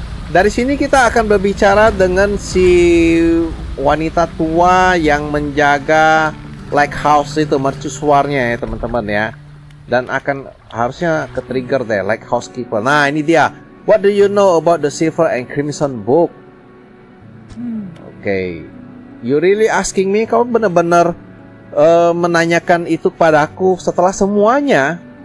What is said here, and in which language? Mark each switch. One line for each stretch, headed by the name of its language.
Indonesian: Dari sini kita akan berbicara dengan si wanita tua yang menjaga lighthouse itu, mercusuarnya ya teman-teman ya. Dan akan harusnya ke trigger deh, lighthouse keeper. Nah, ini dia.
English: What do you know about the Silver and Crimson book? Oke, you really asking me?
Indonesian: Kau benar-benar menanyakan itu padaku setelah semuanya.